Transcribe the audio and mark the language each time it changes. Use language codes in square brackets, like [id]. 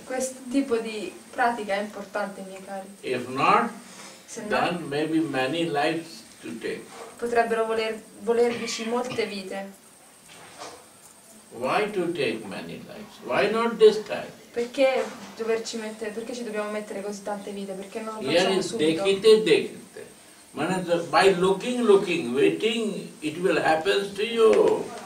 [it] Questo tipo di pratica è importante, miei cari. [en] If not, then maybe many lives to take. [it] Potrebbero volervici molte vite. [en] Why to take many lives? Why not this time? [it] Perché doverci mettere, perché ci dobbiamo mettere così tante vite? Perché non lo facciamo subito? [bn] Dekhite, dekhite. [en] By looking, looking, waiting, it will happen to you.